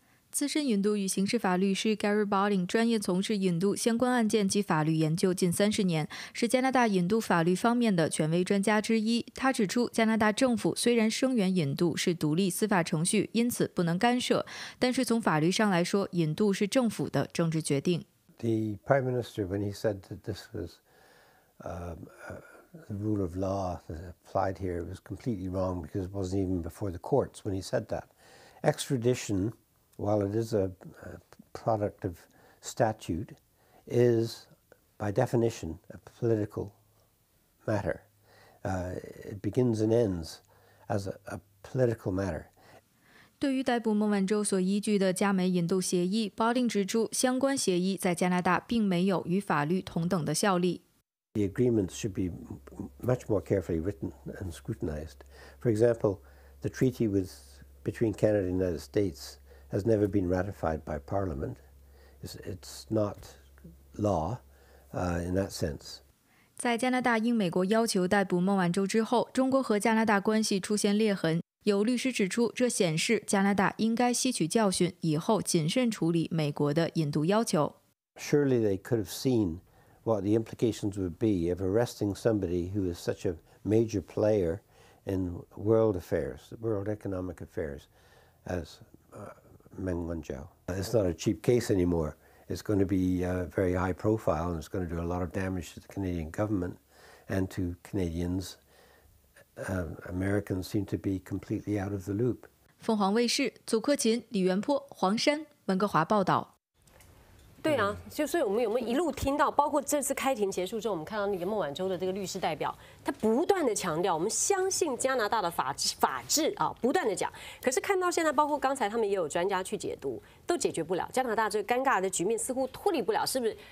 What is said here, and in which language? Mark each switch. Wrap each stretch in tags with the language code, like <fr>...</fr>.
<zh>资深引渡与刑事法律师 Gary Bolling 专业从事引渡相关案件及法律研究近三十年，是加拿大引渡法律方面的权威专家之一。他指出，加拿大政府虽然声援引渡是独立司法程序，因此不能干涉，但是从法律上来说，引渡是政府的政治决定。</zh> <en>The Prime Minister, when he said that this was the rule of law that applied here, was completely wrong because it wasn't even before the courts when he said that. Extradition. While it is a product of statute, is by definition a political matter. It begins and ends as a political matter.</en> <zh>对于逮捕孟晚舟所依据的加美引渡协议，包令指出，相关协议在加拿大并没有与法律同等的效力。</zh> <en>The agreements should be much more carefully written and scrutinized. For example, the treaty between Canada and the United States. Has never been ratified by Parliament. It's not law, in that sense.</en> <zh>在加拿大应美国要求逮捕孟晚舟之后，中国和加拿大关系出现裂痕。有律师指出，这显示加拿大应该吸取教训，以后谨慎处理美国的引渡要求。</zh> <en>Surely they could have seen what the implications would be of arresting somebody who is such a major player in world affairs, world economic affairs, as. Meng Wanzhou. It's not a cheap case anymore. It's going to be very high profile and it's going to do a lot of damage to the Canadian government and to Canadians. Americans seem to be completely out of the loop.</en> <zh>凤凰卫视，祖克勤、李元坡、黄山，温哥华报道。对啊，就所以我们有没有一路听到，包括这次开庭结束之后，我们看到那个孟晚舟的这个律师代表，他不断的强调，我们相信加拿大的法治啊，不断的讲。可是看到现在，包括刚才他们也有专家去解读，都解决不了加拿大这个尴尬的局面，似乎脱离不了，是不是？</zh>